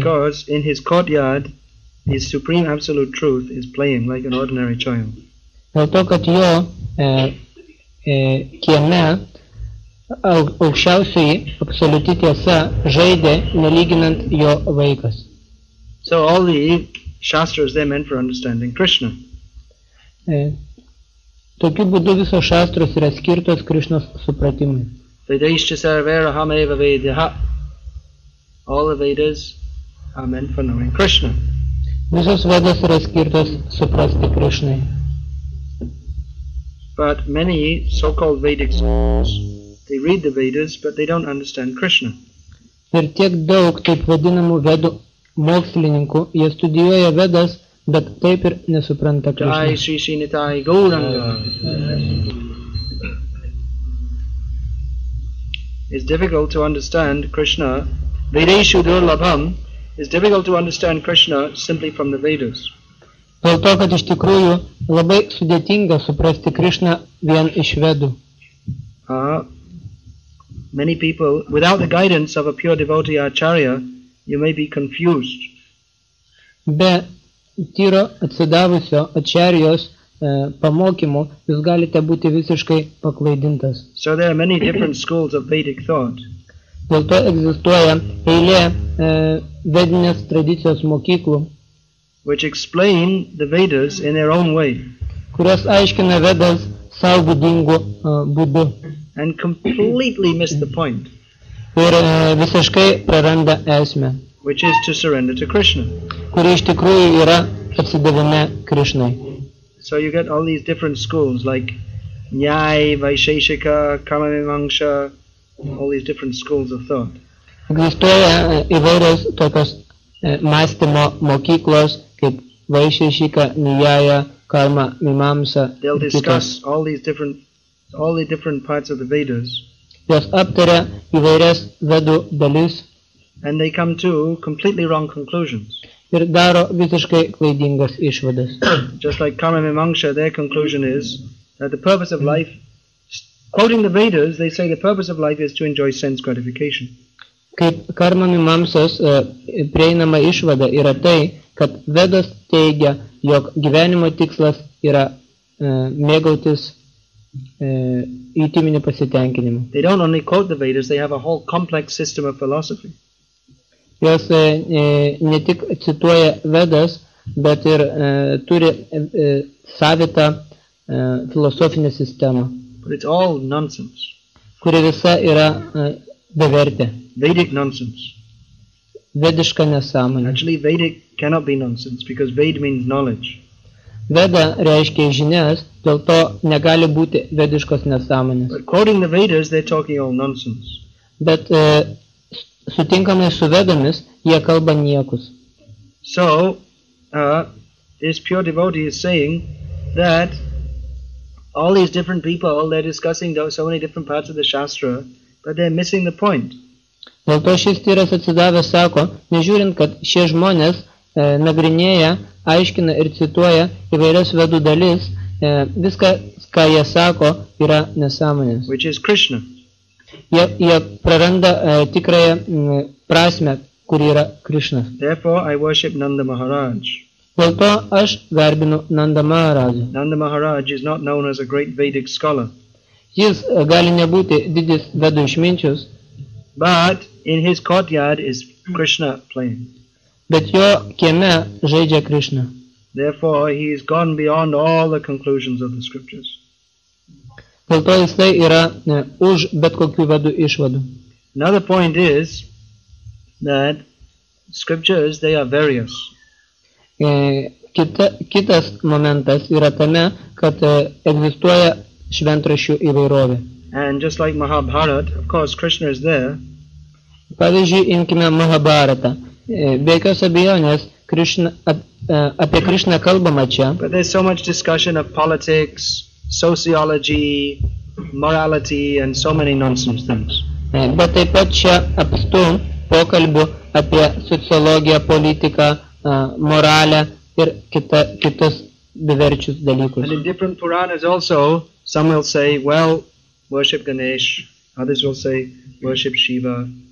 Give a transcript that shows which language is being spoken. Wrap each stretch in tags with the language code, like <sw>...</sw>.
<en>Because in his courtyard, his supreme absolute truth is playing like an ordinary child.</en> <lt>Dėl to, kad jo kieme aukščiausiai absoliuti tiesa žaidė nelyginant jo vaikas.</lt> <en>So all the shastras they meant for understanding Krishna.</en> <lt>Tokiu būdu visos šastros yra skirtos Krišnos supratimui.</lt> <sa>Vedaischa sarvera hameva vedaha.</sa> <en>All the Vedas are meant for knowing Krishna.</en> <lt>Visos Vedas yra skirtos suprasti Krišnai.</lt> <en>But many so-called Vedic scholars, they read the Vedas, but they don't understand Krishna.</en> <lt>Ir tiek daug taip vadinamų Vedų mokslininkų, jie studijuoja Vedas, bet taip ir nesupranta Krishna.</lt> <sa>Jai Sri Sri Nitai Gauranga.</sa> <en>It's difficult to understand Krishna.</en> <sa>Vedeshu Durlabham</sa> <en>is difficult to understand Krishna simply from the Vedas.</en> <lt>Dėl to, kad iš tikrųjų labai sudėtinga suprasti Krishna vien iš Vedų.</lt> <en>Many people, without the guidance of a pure devotee Acharya, you may be confused.</en> <lt>Be tyro atsidavusio Acharyos pamokymu, jūs galite būti visiškai paklaidintas.</lt> <en>So there are many different schools of Vedic thought.</en> <lt>Dėl to egzistuoja eilė vedinės tradicijos mokyklų,</lt> <en>which explain the Vedas in their own way.</en> <lt>Kurios aiškina Vedas savo būdingu būdu.</lt> <en>And completely miss the point.</en> <lt>Ir visiškai praranda esmę,</lt> <en>which is to surrender to Krishna.</en> <lt>Kuri iš tikrųjų yra atsidavime Krishnai.</lt> <en>So you get all these different schools like Nyai, Vaisheshika, Kama Mimamsa, all these different schools of thought.</en> <lt>Egzistuoja įvairios tokios mąstymo mokyklos kaip Vaisheshika, Nyaya, Kama Mimamsa.</lt> <en>They'll discuss all the different parts of the Vedas.</en> <lt>Jos aptaria įvairias Vedų dalis.</lt> <en>And they come to completely wrong conclusions.</en> <lt>Ir daro visiškai klaidingas išvadas.</lt> <en>Just like Kama Mimamsa, their conclusion is that the purpose of life, quoting the Vedas, they say the purpose of life is to enjoy sense gratification.</en> <lt>Kaip Kama Mimamsos prieinama išvada yra tai, kad Vedas teigia, jog gyvenimo tikslas yra mėgautis jutiminiu pasitenkinimu.</lt> <en>They don't only quote the Vedas, they have a whole complex system of philosophy.</en> <lt>Jos ne tik cituoja Vedas, bet ir turi savitą filosofinę sistemą.</lt> <en>But it's all nonsense.</en> <lt>Kuri visa yra bevertė.</lt> <en>Vedic nonsense.</en> <lt>Vediška nesąmonė.</lt> <en>Actually, Vedic cannot be nonsense, because Ved means knowledge.</en> <lt>Veda reiškia žinias, dėl to negali būti vediškos nesąmonės.</lt> <en>But quoting the Vedas, they're talking all nonsense.</en> <lt>Bet sutinkamai su Vedomis, jie kalba niekus.</lt> <en>So, this pure devotee is saying that all these different people, they're discussing so many different parts of the Shastra, but they're missing the point.</en> <lt>Dėl to šis tyras atsidavęs sako, nežiūrint, kad šie žmonės nagrinėja, aiškina ir cituoja įvairias Vedų dalis, viskas, ką jie sako, yra nesąmonės.</lt> <en>Which is Krishna.</en> <lt>Jie praranda tikrąją prasmę, kuri yra Krishna.</lt> <en>Therefore, I worship Nanda Maharaj.</en> <lt>Dėl to aš garbinu Nanda Maharaj.</lt> <en>Nanda Maharaj is not known as a great Vedic scholar.</en> <lt>Jis gali nebūti didis Vedų išminčius.</lt> <en>But in his courtyard is Krishna playing.</en> <lt>Bet jo kieme žaidžia Krishna.</lt> <en>Therefore, he is gone beyond all the conclusions of the scriptures.</en> <lt>Dėl to jis tai yra už bet kokių vedų išvadų.</lt> <en>Another point is that scriptures, they are various.</en> <lt>Kitas momentas yra tame, kad egzistuoja šventraščių įvairovė.</lt> <en>And just like Mahabharat, of course, Krishna is there.</en> <lt>Pavyzdžiui, imkime Mahabharatą. Be jokios abejonės, apie Krishna kalbama čia.</lt> <en>But there's so much discussion of politics, sociology, morality, and so many nonsense things.</en> <lt>Bet taip pat čia apstu pokalbių apie sociologiją, politiką, moralę ir kitus diverčius dalykus.</lt> <en>And in different Puranas also, some will say, well, worship Ganesh, others will say, worship Shiva.</en>